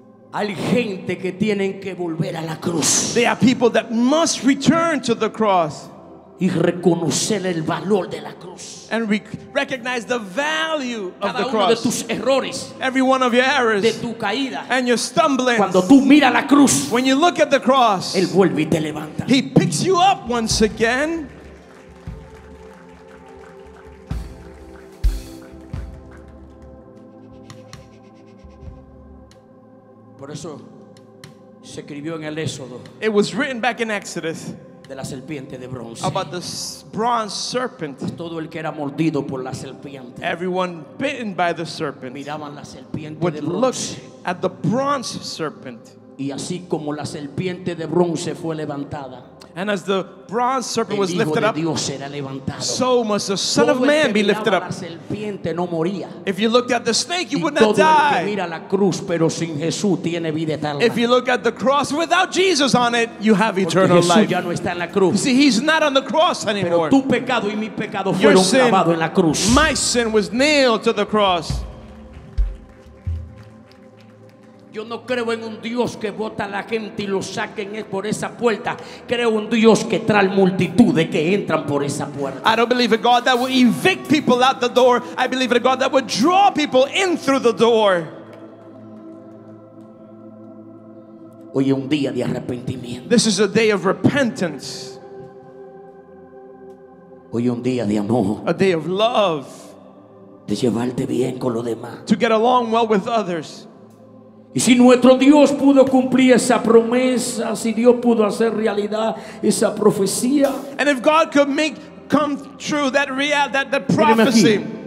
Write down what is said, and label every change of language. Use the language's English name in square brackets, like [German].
[Spanish] Hay gente que tienen que volver a la cruz. [English] There are people that must return to the cross. [Spanish] Y reconocer el valor de la cruz. [English] And recognize the value of [Spanish] cada [English] the cross. [Spanish] De tus errores, [English] every one of your errors. [Spanish] De tu caída, [English] and your stumbling. [Spanish] Cuando tú miras la cruz, [English] when you look at the cross. [Spanish] Él vuelve y te levanta. [English] He picks you up once again. [Spanish] Por eso se escribió en el Éxodo. [English] It was written back in Exodus. [Spanish] De la serpiente de bronce. [English] About the bronze serpent. [Spanish] Todo el que era mordido por la serpiente. [English] Everyone bitten by the serpent. [Spanish] Miraban la serpiente [English] would [Spanish] de bronce. [English] Look at the bronze serpent. [Spanish] Y así como la serpiente de bronce fue levantada. [English] And as the bronze serpent was lifted up, [Spanish] Dios era levantado. [English] So must the Son of Man be lifted up. [Spanish] La serpiente no moría. [English] If you looked at the snake, you [Spanish] y [English] would not die. [Spanish] Todo el que mira la cruz, pero sin Jesús, tiene vida eterna. [English] If you look at the cross without Jesus on it, you have [Spanish] porque [English] eternal [Spanish] Jesús [English] life. [Spanish] Ya no está en la cruz. [English] See, he's not on the cross anymore. [Spanish] Pero tu pecado y mi pecado fueron clavado en la cruz. [English] My sin was nailed to the cross. [Spanish] Yo no creo en un Dios que bota a la gente y lo saquen por esa puerta. Creo en Dios que trae multitudes que entran por esa puerta. [English] I don't believe in God that would evict people out the door. I believe in God that would draw people in through the door. [Spanish] Hoy es un día de arrepentimiento. [English] This is a day of repentance. [Spanish] Hoy es un día de amor. [English] A day of love. [Spanish] De llevarte bien con los demás. [English] To get along well with others. [Spanish] Y si nuestro Dios pudo cumplir esa promesa, si Dios pudo hacer realidad esa profecía, [English] and if God could make come true that reality, that prophecy,